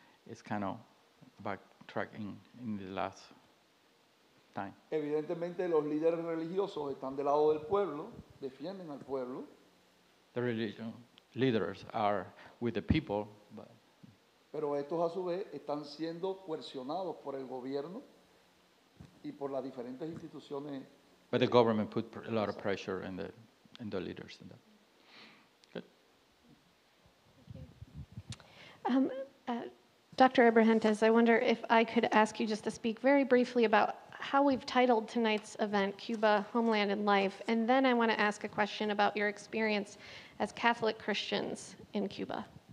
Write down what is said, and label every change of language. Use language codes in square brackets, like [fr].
[en] It's kind of backtracking in the last time. [es] Evidentemente, los líderes religiosos están del lado del pueblo, defienden al pueblo. [en] The religion leaders are with the people, but. [es] Pero estos a su vez están siendo coercionados por el gobierno y por las diferentes instituciones. [en] But the government put a lot of pressure in the leaders. In that. Dr. Abrahantes, I wonder if I could ask you just to speak very briefly about how we've titled tonight's event, Cuba, Homeland and Life, and then I want to ask a question about your experience as Catholic Christians in Cuba.